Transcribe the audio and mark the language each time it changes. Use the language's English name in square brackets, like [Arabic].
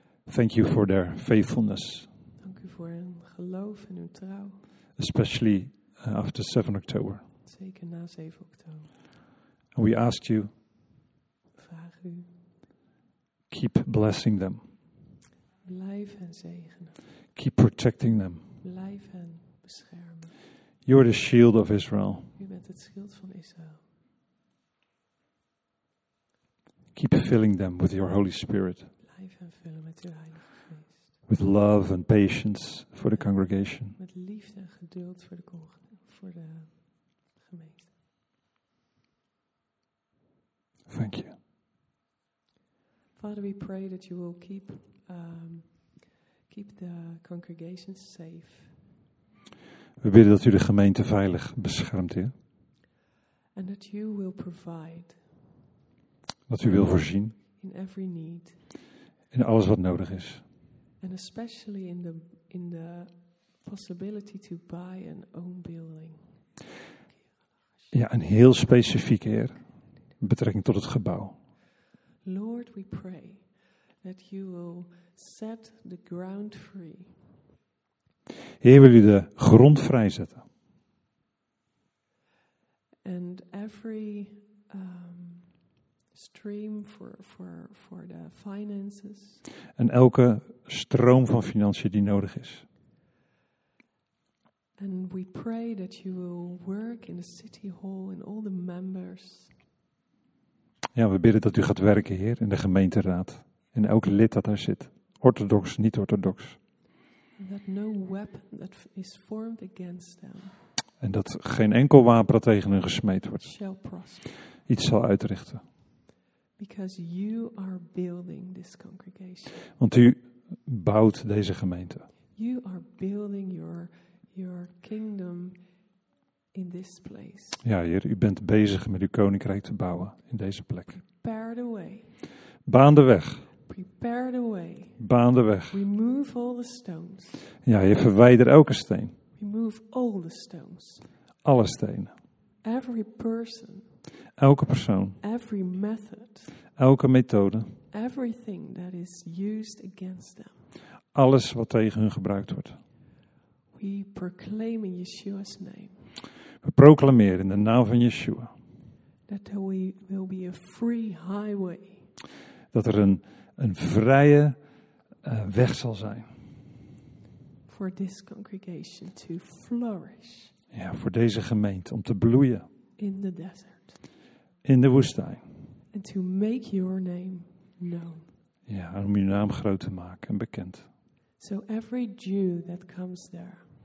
[English] Thank you for their faithfulness. [Dutch] Dank u voor hun geloof en hun trouw. [English] Especially after 7 October. [Dutch] Zeker na 7 oktober. [English] And we ask you. [Dutch] Vraag u. [English] Keep blessing them. [Dutch] Blijf hen zegenen. [English] Keep protecting them. [Dutch] Blijf hen beschermen. [English] You are the shield of Israel. [Dutch] U bent het schild van Israël. [English] Keep filling them with your Holy Spirit. [Dutch] Blijf hen vullen met uw Heilige Geest. [English] With love and patience for the congregation. [Dutch] Met liefde en geduld voor de gemeente. [English] Thank you. Father, we pray that you will keep the congregation safe. [Dutch] We bidden dat u de gemeente veilig beschermt, Heer. [English] And that you will provide. [Dutch] Dat u wil voorzien. [English] In every need. [Dutch] In alles wat nodig is. [English] And especially in the possibility to buy an own building. [Dutch] Ja, en heel specifiek, Heer, in betrekking tot het gebouw. [English] Lord, we pray that you will set the ground free. [Dutch] Heer, wil u de grond vrijzetten. [English] And every stream for the finances. [Dutch] En elke stroom van financiën die nodig is. [English] And we pray that you will work in the city hall and all the members. [Dutch] Ja, we bidden dat u gaat werken, Heer, in de gemeenteraad. In elk lid dat daar zit. Orthodox, niet orthodox. [English] That no weapon that is formed against them. [Dutch] En dat geen enkel wapen dat tegen hen gesmeed wordt. [English] Shall prosper. [Dutch] Iets zal uitrichten. [English] Because you are building this congregation. [Dutch] Want u bouwt deze gemeente. [English] You are building your kingdom in this place. [Dutch] Ja, Heer, u bent bezig met uw koninkrijk te bouwen in deze plek. [English] Prepare the way. [Dutch] Baan de weg. [English] Prepare the way. [Dutch] Baan de weg. [English] Remove all the stones. [Dutch] Ja, Heer, verwijder elke steen. [English] Remove all the stones. [Dutch] Alle stenen. [English] Every person. [Dutch] Elke persoon. [English] Every method. [Dutch] Elke methode. [English] Everything that is used against them. [Dutch] Alles wat tegen hun gebruikt wordt. [English] We proclaim in Yeshua's name. [Dutch] We proclameren in de naam van Yeshua. [English] That there will be a free highway. [Dutch] Dat er een vrije weg zal zijn. [English] For this congregation to flourish. [Dutch] Ja, voor deze gemeente om te bloeien. [English] In the desert. [Dutch] In de woestijn. [English] And to make your name known. [Dutch] Ja, om uw naam groot te maken en bekend. [English] So every Jew that comes there.